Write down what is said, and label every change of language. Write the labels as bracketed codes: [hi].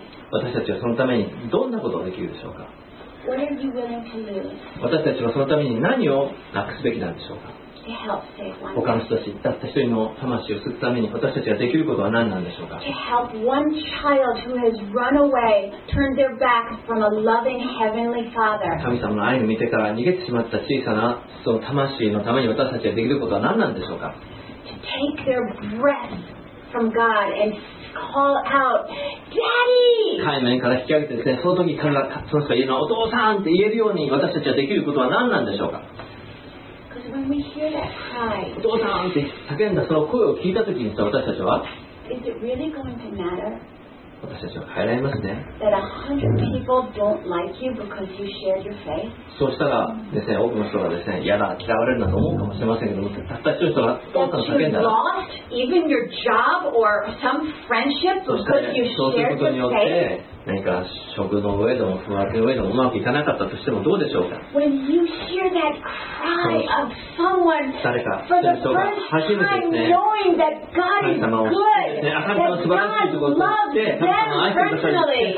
[ja] 私たちはそのためにどんなことができるでしょうか。私たちはそのために何をなくすべきなんでしょうか。他の人たちたった一人の魂を救うために私たちができることは何なんでしょうか。 [en] To help one child who has run away, turned their back from a loving heavenly father. [ja] 神様の愛を見てから逃げてしまった小さなその魂のために私たちができることは何なんでしょうか。 [en] To take their breath from God and call out, Daddy! [ja] 海面から引き上げてですね、その時彼らがその人が言うのはお父さんって言えるように私たちができることは何なんでしょうか。 [en] When we hear that cry, [ja] お父さんって叫んだその声を聞いた時に私たちは、 [en] is it really going to matter? [ja] 私たちは変えられますね。 [en] That 100 people don't like you because you shared your faith? [ja] そうしたらですね、多くの人がですね、嫌だ、嫌われるなと思うかもしれませんけども、たった一人の人がお父さん叫んだら、 [en] lost even your job or some friendship because you shared your faith? [ja] そうすることによって、何か職の上でも不安の上でもうまくいかなかったとしてもどうでしょうか。 [en] When you hear that cry of someone, [ja] 誰か [en] for the first time knowing that God is good, that God loves them personally,